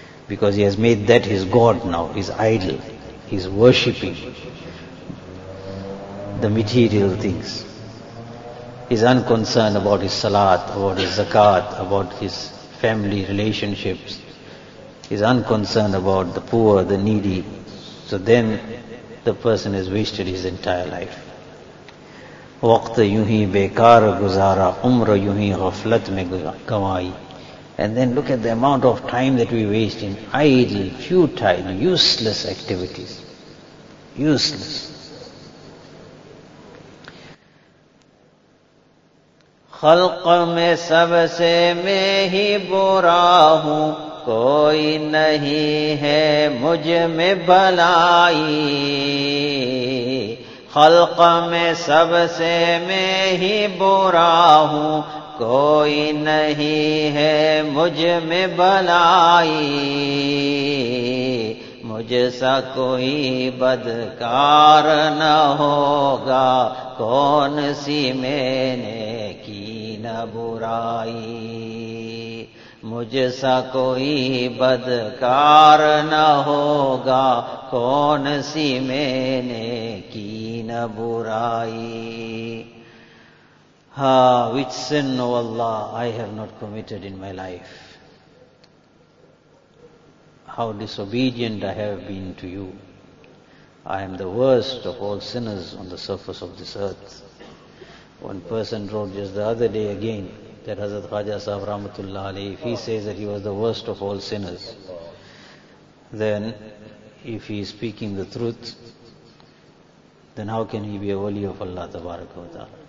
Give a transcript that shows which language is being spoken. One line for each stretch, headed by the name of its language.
English: because he has made that his god now, his idol. He is worshipping the material things. He is unconcerned about his salat, about his zakat, about his family relationships. He is unconcerned about the poor, the needy. So then the person has wasted his entire life.
Urdu: وقت یوں ہی بیکار گزارا عمر یوں ہی غفلت میں گوائی.
English: And then look at the amount of time that we waste in idle, futile, useless activities. Useless.
Urdu: خلق میں سب سے میں ہی برا ہوں کوئی نہیں ہے مجھ میں بلائی. خلق میں سب سے میں ہی برا ہوں کوئی نہیں ہے مجھ میں بلائی. مجھ سا کوئی بدکار نہ ہوگا کون سی میں نے کی نہ برائی. مجھ سا کوئی بدکار نہ ہوگا کون سی میں نے کی نہ برائی.
English: Which sin, O Allah, I have not committed in my life. How disobedient I have been to you. I am the worst of all sinners on the surface of this earth. One person wrote just the other day again that Hazrat Khaja Sahib Rahmatullah Ali, if he says that he was the worst of all sinners, then if he is speaking the truth, then how can he be a wali of Allah Tabaraka wa Ta'ala?